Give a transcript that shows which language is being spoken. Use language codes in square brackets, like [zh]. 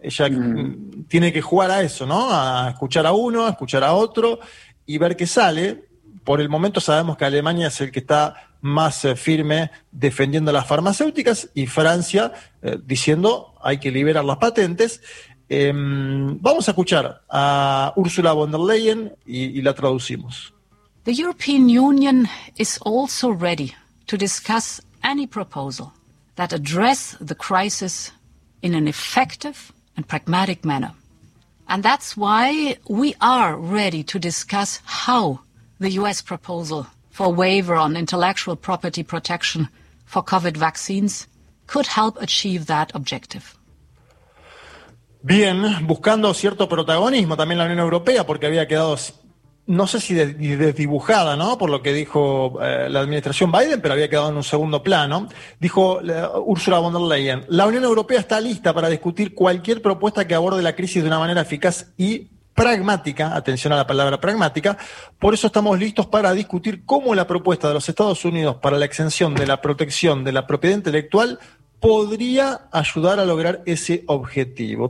[es] Ella tiene que jugar a eso, ¿no? A escuchar a uno, a escuchar a otro y ver qué sale. Por el momento sabemos que Alemania es el que está más firme defendiendo las farmacéuticas y Francia diciendo hay que liberar las patentes. Vamos a escuchar a Ursula von der Leyen y la traducimos. [en] The European Union is also ready to discuss any proposal that address the crisis in an effective and pragmatic manner. And that's why we are ready to discuss how the US proposal for waiver on intellectual property protection for COVID vaccines could help achieve that objective. [es] Bien, buscando cierto protagonismo también la Unión Europea, porque había quedado, no sé si desdibujada, ¿no? Por lo que dijo la administración Biden, pero había quedado en un segundo plano. Dijo Ursula von der Leyen, la Unión Europea está lista para discutir cualquier propuesta que aborde la crisis de una manera eficaz y pragmática, atención a la palabra pragmática, por eso estamos listos para discutir cómo la propuesta de los Estados Unidos para la exención de la protección de la propiedad intelectual podría ayudar a lograr ese objetivo.